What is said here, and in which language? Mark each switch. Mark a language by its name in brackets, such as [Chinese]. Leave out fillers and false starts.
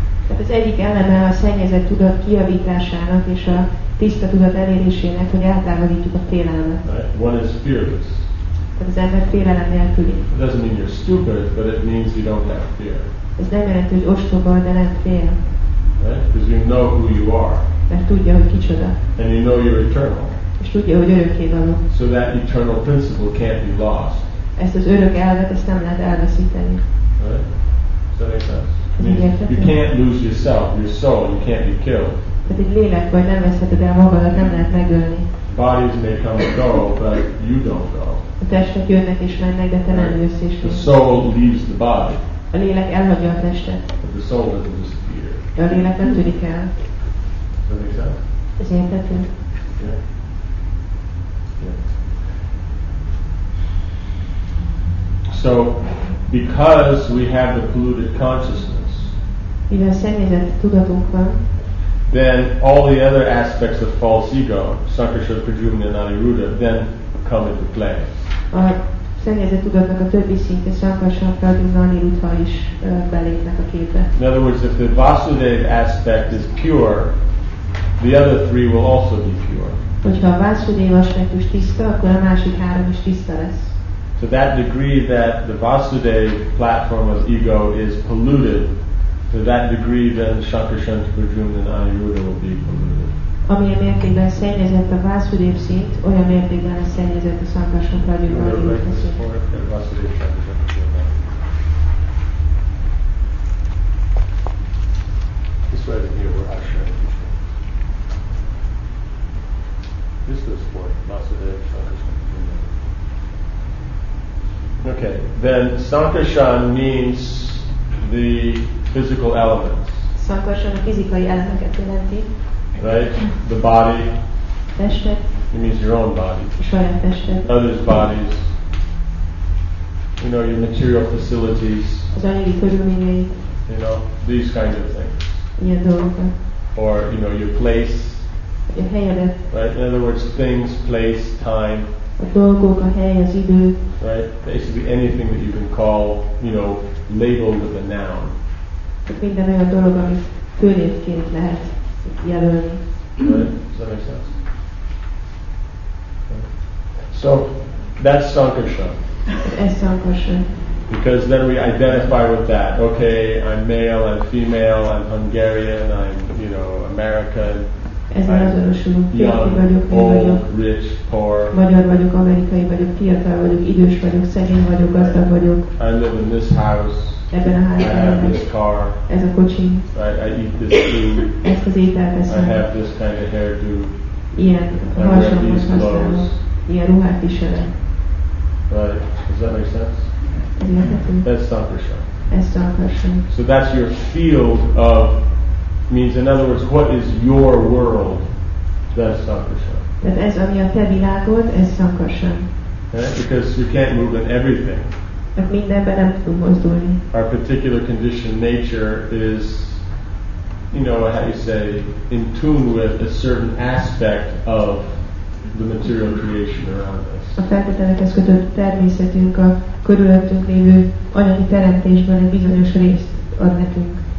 [Hungarian] Tehát az egyik eleme a szennyezett tudat kijavításának és a tiszta tudat elérésének, hogy eltávolítjuk a félelmet. [English] Right. One is fearless. [Hungarian] Tehát az ember félelem nélküli. [English] It doesn't mean you're stupid, but it means you don't have fear. [Hungarian] Ez nem jelenti, hogy ostoba, de nem fél. [English] Right? Because you know who you are. [Hungarian] Mert tudja, hogy kicsoda. [English] And you know you're eternal. [Hungarian] És tudja, hogy örökké való. [English] So that eternal principle can't be lost. [Hungarian] Ezt az örök elvet, ezt nem lehet elveszíteni. [English] Right? Does that make sense? can't lose yourself, your soul, you can't be killed. [Hungarian] Tehát egy lélek vagy nem veszheted el magadat, nem lehet megölni. [English] Bodies may come and go, but you don't go. [Hungarian] A testek jönnek és mennek, de te nem jössz és [English] the soul leaves the body. [Hungarian] A lélek elhagyja a testet. [English] But the soul doesn't disappear. [Hungarian] De a lélek nem tűnik el. [English] Does that make sense? So, because we have the polluted consciousness, [Hungarian] mivel szennyezett tudatunk van, [English] then all the other aspects of false ego, sakasha, prajumna, nariruda, then come into play. [Hungarian] A szennyezett tudatnak a többi szinte, sakasha, prajumna, nariruda is belépnek a képbe. [English] In other words, if the vasudeva aspect is pure, the other three will also be pure. [Hungarian] Hogyha a vasudeva aspektus tiszta, akkor a másik három is tiszta lesz. [English] To that degree that the Vasudeva platform of ego is polluted, to that degree then Sankarshanta Prajumna and Aniruddha will be polluted. [Hungarian] Amilyen mértékben szennyezett a Vasudeva szint, olyan mértékben lesz szennyezett a Sankarshanta Prajumna [English] and [Hungarian] Aniruddha szint. [English] This way to here we're Asha and this is for Vasudeva Sankarshanta. Okay, then Sankarshan means the physical elements. [Hungarian] Sankarshan a fizikai elemeket jelenti. [English] Right? The body. [Hungarian] Testet. [English] It means your own body. [Hungarian] Saját testet. [English] Others' bodies. You know, your material facilities. [Hungarian] Az anyagi körülményei. [English] You know, these kinds of things. [Hungarian] Ilyen dolgokat. [English] Or, you know, your place. Your [Hungarian] helyedet. [English] Right? In other words, things, place, time. [Hungarian] A dolgok, a hely, az idő. [English] Right? Basically anything that you can call, you know, labeled with a noun. [Hungarian] Tehát minden olyan dolog, amit főnévként lehet jelölni. [English] Right? Does that make sense? Right. So, that's Sankarshan. [Hungarian] Ez Sankarshan. [English] Because then we identify with that. Okay, I'm male, I'm female, I'm Hungarian, I'm, you know, American. [Hungarian] Ezzel azonosulunk, fiatal vagyok, [English] old, [Hungarian] vagyok, [English] rich, poor. [Hungarian] Magyar vagyok, amerikai vagyok, fiatal vagyok, idős vagyok, szegény vagyok, gazdag vagyok. [English] I live in this house. [Hungarian] Ebben a házban. [English] This car. [Hungarian] Ez a kocsim. [English] I eat this food. [Hungarian] Ezt az ételt eszem. [English] I have this kind of hairdo. [Hungarian] Ilyen hasonlót használok. Ilyen ruhát viselek. [English] Right. Does that make sense? [Hungarian] Ez érthető. [English] That's Sankarshan. [Hungarian] Ez Sankarshan. [English] So that's your field of means, in other words, what is your world? That's Sankarshan. [Hungarian] Tehát ez, ami a te világod, ez Sankarshan. [English] Because we can't move in everything. [Hungarian] Mert mindenben nem tudunk mozdulni. [English] Our particular conditioned nature is, you know, how you say, in tune with a certain aspect of the material creation around us. [Hungarian] A feltételekhez kötött természetünk a körülöttünk lévő anyagi teremtésben egy bizonyos részt ad nekünk.